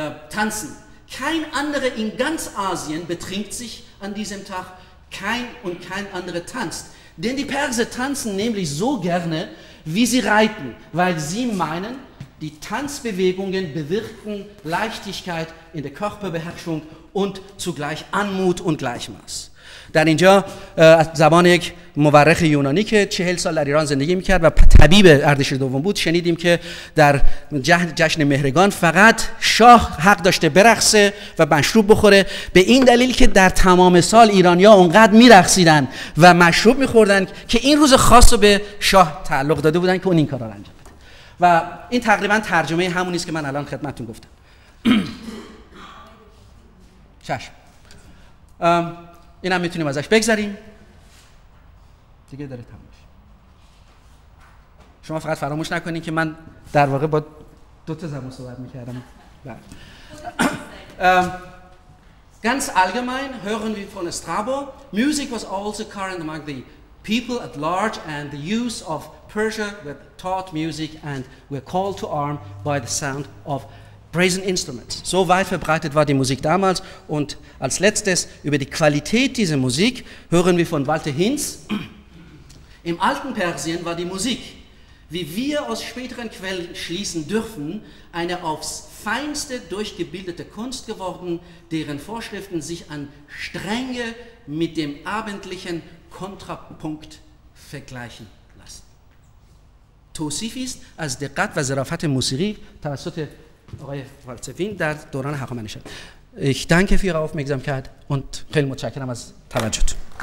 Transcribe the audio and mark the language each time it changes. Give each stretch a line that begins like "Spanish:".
German: Tanzen. Kein anderer in ganz Asien betrinkt sich an diesem Tag, kein anderer tanzt. Denn die Perser tanzen nämlich so gerne, wie sie reiten, weil sie meinen, Die Tanzbewegungen bewirken Leichtigkeit in der Körperbeherrschung und zugleich Anmut und Gleichmaß.
Persian: در اینجا زبان یک مورخ یونانی که 40 سال در ایران زندگی میکرد و طبیب اردشیر دوم بود شنیدیم که در جشن مهرگان فقط شاه حق داشته برقصه و مشروب بخوره به این دلیل که در تمام سال ایرانی‌ها اونقدر میرقصیدن و مشروب میخوردن که این روز خاص رو به شاه تعلق داده بودن که اون این کار رو انجام بده و این تقریبا ترجمه همونی است که من الان خدمتتون گفتم چشم این هم میتونیم ازش بگذاریم دیگه داره تمومش شما فقط فراموش نکنین که من در واقع با دوتا زبان صحبت میکردم
German: ganz allgemein hören wir von Strabo
English: music was also current among the people at large and the use of Persia were taught music and were called to arm by the sound of Brazen Instruments.
German: So weit verbreitet war die Musik damals. Und als letztes über die Qualität dieser Musik hören wir von Walter Hinz. Im alten Persien war die Musik, wie wir aus späteren Quellen schließen dürfen, eine aufs Feinste durchgebildete Kunst geworden, deren Vorschriften sich an Strenge mit dem abendlichen Kontrapunkt vergleichen lassen.
Persian: توصیف است از دقت و ظرافت موسیقی توسط آقای والتفین در دوران حقامنشه
German: ich danke für Ihre Aufmerksamkeit und
Persian: خیلی متشکرم از توجهتون